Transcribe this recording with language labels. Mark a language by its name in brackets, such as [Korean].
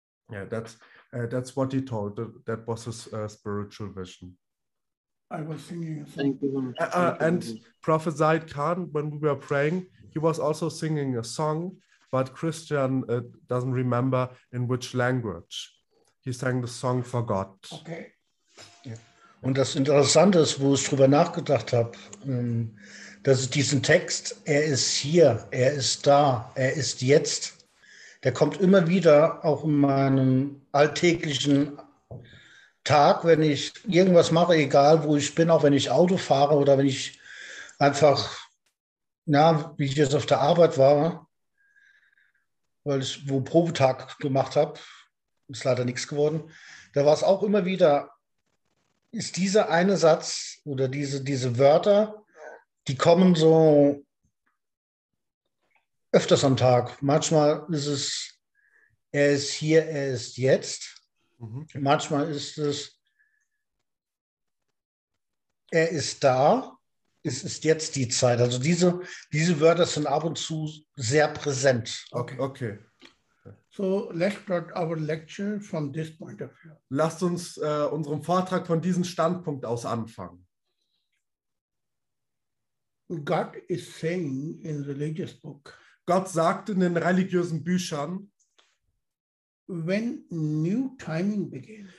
[English] Yeah, that's what he told. That was his spiritual vision. I was singing. Thank you. Prophesied Khan, when we were praying, he was also singing a song, but Christian doesn't remember in which language. He sang the song for God. Okay. Yeah. [German] Und das Interessante ist, wo ich drüber nachgedacht habe, dass ich diesen Text, er ist hier, er ist da, er ist jetzt, der kommt immer wieder auch in meinem alltäglichen Tag, wenn ich irgendwas mache, egal wo ich bin, auch wenn ich Auto fahre oder wenn ich einfach, na, wie ich jetzt auf der Arbeit war, weil ich wo Probetag gemacht habe, ist leider nichts geworden, da war es auch immer wieder, ist dieser eine Satz oder diese Wörter, die kommen so öfters am Tag. Manchmal ist es, er ist hier, er ist jetzt. Mhm. Manchmal ist es, er ist da, es ist jetzt die Zeit. Also diese Wörter sind ab und zu sehr präsent. Okay. [English] So let's start our lecture from this point of view. [German] Lasst uns unseren Vortrag von diesem Standpunkt aus anfangen. [English] God is saying in religious book. [German] Gott sagt in den religiösen Büchern, [English] when new timing begins.